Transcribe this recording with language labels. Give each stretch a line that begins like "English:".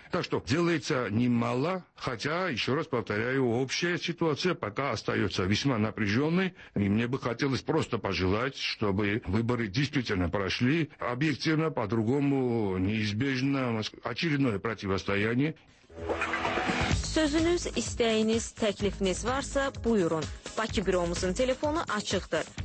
Russian: Так что делается немало, хотя, еще раз повторяю, общая ситуация пока остается весьма напряженной, и мне бы хотелось просто пожелать, чтобы выборы действительно прошли объективно, по-другому неизбежно очередное противостояние.
Azerbaijani: Sözünüz, isteğiniz, təklifiniz varsa buyurun. Bakı büromuzun telefonu açıqdır.